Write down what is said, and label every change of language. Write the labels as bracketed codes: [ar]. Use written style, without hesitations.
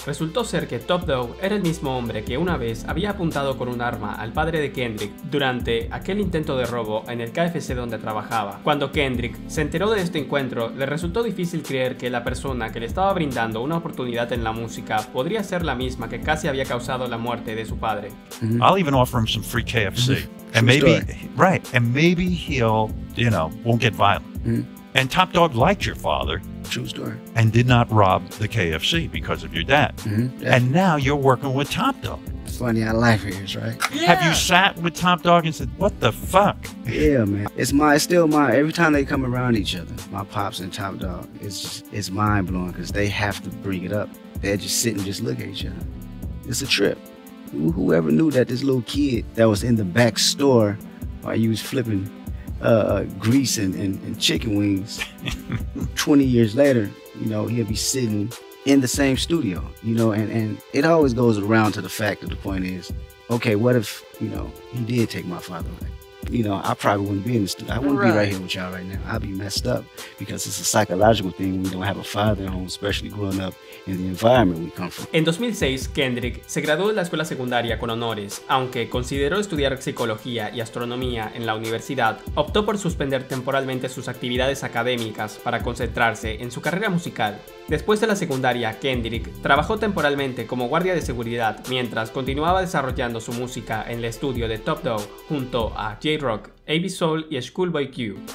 [es] Resultó ser que Top Dog era el mismo hombre que una vez había apuntado con un arma al padre de Kendrick durante aquel intento de robo en el KFC donde trabajaba. Cuando Kendrick se enteró de este encuentro, le resultó difícil creer que la persona que le estaba brindando una oportunidad en la música podría ser la misma que casi había causado la muerte de su padre. [en] I'll even offer him some free KFC. And maybe, right, and maybe he'll, you know, won't get violent. Mm-hmm. And Top Dog liked your father. True story. And did not rob the KFC because of your dad. Mm-hmm. And now you're working with Top Dog. Funny how life is, right? Yeah. Have you sat with Top Dog and said, what the fuck? Yeah, man. It's still my, every time they come around each other, my pops and Top Dog, it's mind blowing because they have to bring it up. They're just sitting, just look at each other. It's a trip. Whoever knew that this little kid that was in the back store while you was flipping grease and chicken wings 20 years later, you know, he'll be sitting in the same studio, you know, and it always goes around to the fact that the point is, okay, what if, you know, he did take my father away? You know, I probably wouldn't be in the studio. I wouldn't be right here with y'all right now. I'd be messed up because it's a psychological thing when you don't have a father at home, especially growing up in the environment we come from. [es] En 2006, Kendrick se graduó de la escuela secundaria con honores. Aunque consideró estudiar psicología y astronomía en la universidad, optó por suspender temporalmente sus actividades académicas para concentrarse en su carrera musical. Después de la secundaria, Kendrick trabajó temporalmente como guardia de seguridad mientras continuaba desarrollando su música en el estudio de Top Dog junto a J-Rock, AB Soul y Schoolboy Q.